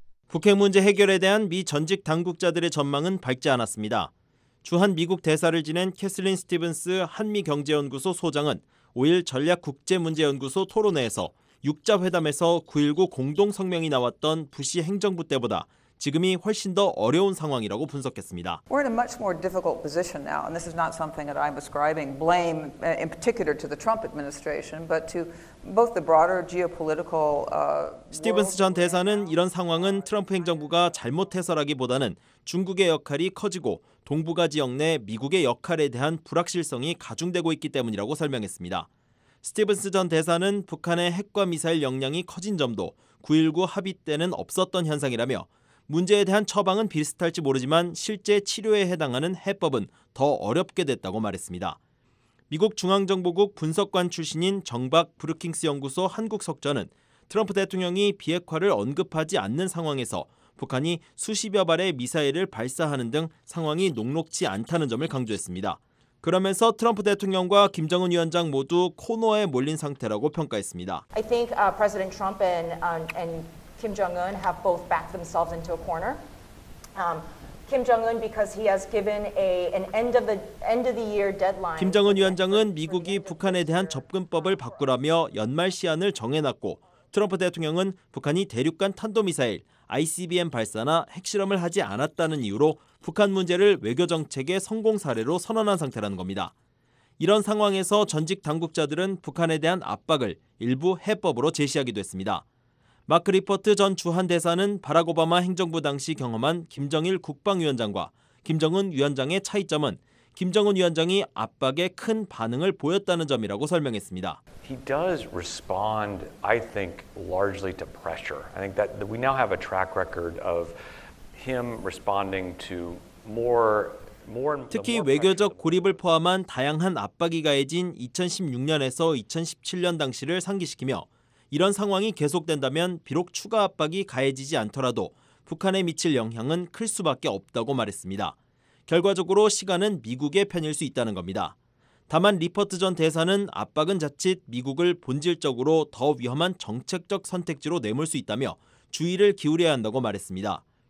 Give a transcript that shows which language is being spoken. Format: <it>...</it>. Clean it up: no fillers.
<ko>북핵 문제 해결에 대한 미 전직 당국자들의 전망은 밝지 않았습니다. 주한미국 대사를 지낸 캐슬린 스티븐스 한미경제연구소 소장은 5일 전략국제문제연구소 토론회에서 6자회담에서 9.19 공동성명이 나왔던 부시 행정부 때보다 지금이 훨씬 더 어려운 상황이라고 분석했습니다.</ko> <en>We're in a much more difficult position now, and this is not something that I'm ascribing blame in particular to the Trump administration, but to both the broader geopolitical.</en> <ko>스티븐스 전 대사는 이런 상황은 트럼프 행정부가 잘못해서라기보다는 중국의 역할이 커지고 동북아 지역 내 미국의 역할에 대한 불확실성이 가중되고 있기 때문이라고 설명했습니다. 스티븐스 전 대사는 북한의 핵과 미사일 역량이 커진 점도 9.19 합의 때는 없었던 현상이라며. 문제에 대한 처방은 비슷할지 모르지만 실제 치료에 해당하는 해법은 더 어렵게 됐다고 말했습니다. 미국 중앙정보국 분석관 출신인 정박 브루킹스 연구소 한국석좌는 트럼프 대통령이 비핵화를 언급하지 않는 상황에서 북한이 수십여 발의 미사일을 발사하는 등 상황이 녹록지 않다는 점을 강조했습니다. 그러면서 트럼프 대통령과 김정은 위원장 모두 코너에 몰린 상태라고 평가했습니다.</ko> <en>I think President Trump and Kim Jong-un have both backed themselves into a corner. Kim Jong-un because he has given an end of the year deadline.</en> <ko>김정은 위원장은 미국이 북한에 대한 접근법을 바꾸라며 연말 시한을 정해놨고 트럼프 대통령은 북한이 대륙간 탄도미사일 ICBM 발사나 핵실험을 하지 않았다는 이유로 북한 문제를 외교 정책의 성공 사례로 선언한 상태라는 겁니다. 이런 상황에서 전직 당국자들은 북한에 대한 압박을 일부 해법으로 제시하기도 했습니다. 마크 리퍼트 전 주한대사는 바락 오바마 행정부 당시 경험한 김정일 국방위원장과 김정은 위원장의 차이점은 김정은 위원장이 압박에 큰 반응을 보였다는 점이라고 설명했습니다.</ko> <en>He does respond, I think, largely to pressure. I think that we now have a track record of him responding to more.</en> <ko>특히 외교적 고립을 포함한 다양한 압박이 가해진 2016년에서 2017년 당시를 상기시키며 이런 상황이 계속된다면 비록 추가 압박이 가해지지 않더라도 북한에 미칠 영향은 클 수밖에 없다고 말했습니다. 결과적으로 시간은 미국의 편일 수 있다는 겁니다. 다만 리퍼트 전 대사는 압박은 자칫 미국을 본질적으로 더 위험한 정책적 선택지로 내몰 수 있다며 주의를 기울여야 한다고 말했습니다.</ko>